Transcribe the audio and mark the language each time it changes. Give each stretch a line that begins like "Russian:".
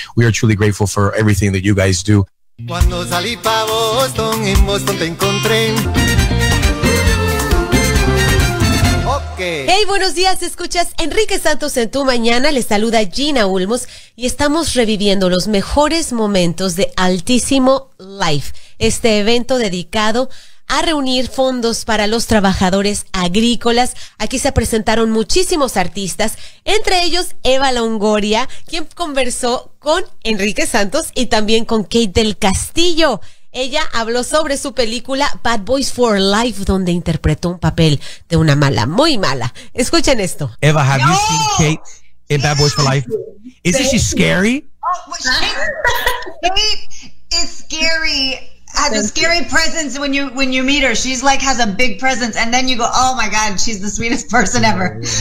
English: We are truly grateful for everything that you guys do.
Spanish: Cuando salí pa Boston, en Boston te encontré. Hey, buenos días, escuchas Enrique Santos en tu mañana, les saluda Gina Ulmos y estamos reviviendo los mejores momentos de Altísimo Life, este evento dedicado a reunir fondos para los trabajadores agrícolas. Aquí se presentaron muchísimos artistas, entre ellos Eva Longoria, quien conversó con Enrique Santos y también con Kate del Castillo. Ella habló sobre su película Bad Boys for Life, donde interpretó un papel de una mala, muy mala. Escuchen esto.
English: Eva, have you seen Kate in Bad Boys for Life? Isn't she scary? Oh, Kate is scary. Has a scary presence when you meet her. She's like has a big presence, and then you go, oh my god, she's the sweetest person ever.